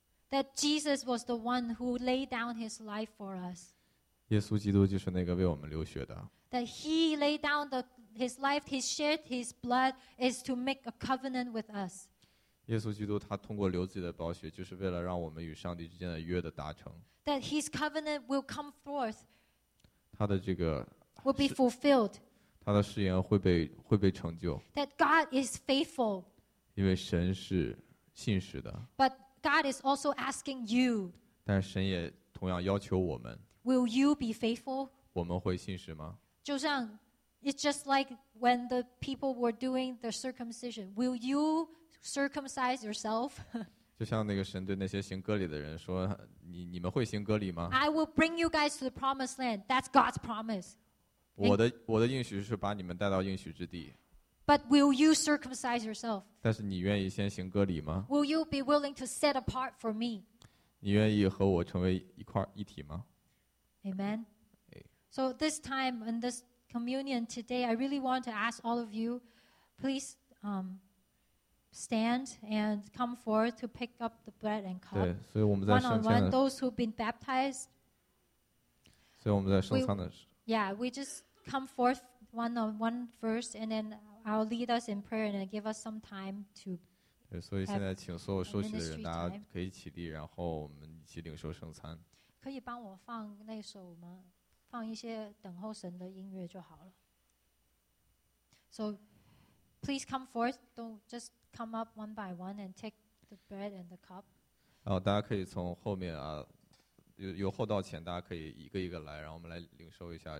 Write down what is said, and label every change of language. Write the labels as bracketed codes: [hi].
[en] That Jesus was the one who laid down his life for us. [zh] 耶稣基督就是那个为我们流血的。 [en] That he laid down his life, he shed his blood, is to make a covenant with us. [zh] 耶稣基督他通过流自己的宝血，就是为了让我们与上帝之间的约的达成。 [en] That his covenant will come forth. [zh] 他的这个 [en] will be fulfilled. [zh] 他的誓言会被成就。 [en] That God is faithful. [zh] 因为神是信实的。 [en] But God is also asking you. [zh] 但神也同样要求我们。 [en] Will you be faithful? [zh] 我们会信实吗？就像 [en] it's just like when the people were doing the circumcision. Will you circumcise yourself? [zh] 就像那个神对那些行割礼的人说，你们会行割礼吗？ [en] I will bring you guys to the promised land. That's God's promise. [zh] 我的应许是把你们带到应许之地。 [en] But will you circumcise yourself? [zh] 但是你愿意先行割礼吗？ [en] Will you be willing to set apart for me? [zh] 你愿意和我成为一块一体吗？ [en] Amen. So this time in this communion today, I really want to ask all of you, please stand and come forth to pick up the bread and cup. [zh] 对，所以我们在圣餐的 [en] one on one, those who've been baptized. [zh] 所以我们在圣餐的时候 [en] Yeah, we just come forth one on one first, and then I'll lead us in prayer and give us some time to. [zh] 对，所以现在请所有受洗的人，大家可以起立，然后我们一起领受圣餐。可以帮我放那首吗？放一些等候神的音乐就好了。 [en] So, please come forth. Don't just come up one by one and take the bread and the cup. [zh] 大家可以从后面啊，由后到前，大家可以一个一个来，然后我们来领受一下，